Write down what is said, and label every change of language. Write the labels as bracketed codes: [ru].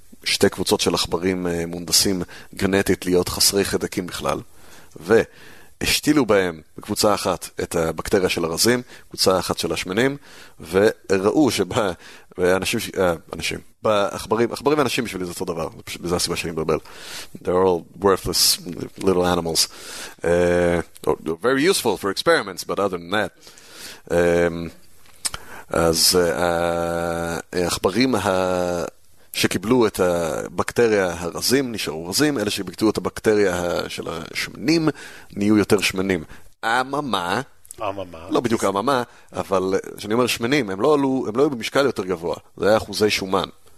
[he] שתי קבוצות של עכברים מונדסים גנטית להיות חסרי חדקים בכלל, והשתילו בהם בקבוצה אחת את הבקטריה של הרזים, קבוצה אחת של השמנים, וראו שבאנשים, בעכברים, עכברים ואנשים בשבילי זה אותו דבר, זה הסיבה שאני מדבר. [en] They're all worthless little animals. They're very useful for experiments, but other than that. [he] אז העכברים שקיבלו את הבקטריה הרזים, נשארו רזים, אלה שביקטו את הבקטריה של השמנים, נהיו יותר שמנים. אממה. לא בדיוק אממה, אבל כשאני אומר שמנים, הם לא היו במשקל יותר גבוה. זה היה אחוזי שומן.